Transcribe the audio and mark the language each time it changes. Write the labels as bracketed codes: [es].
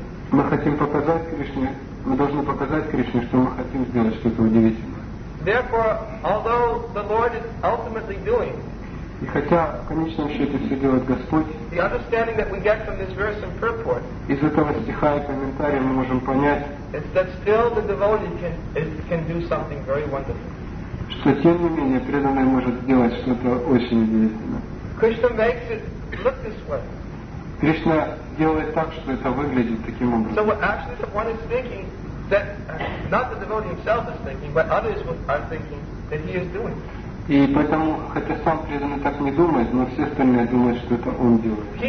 [ru] Мы хотим показать Кришне, мы должны показать Кришне, что мы хотим сделать что-то удивительное. [en] Therefore, although the Lord is ultimately doing, [ru] и хотя в конечном счете все делает Господь, [en] the understanding that we get from this verse and purport, [ru] из этого стиха и комментария мы можем понять, [en] that still the devotee can do something very wonderful. [ru] Что тем не менее преданный может сделать что-то очень удивительное. [en] Krishna makes it look this way. [ru] Кришна делает так, что это выглядит таким образом. [en] So what actually someone is thinking that not the devotee himself is thinking, but others are thinking that he is doing. [ru] И поэтому, хотя сам преданный так не думает, но все остальные думают, что это он делает.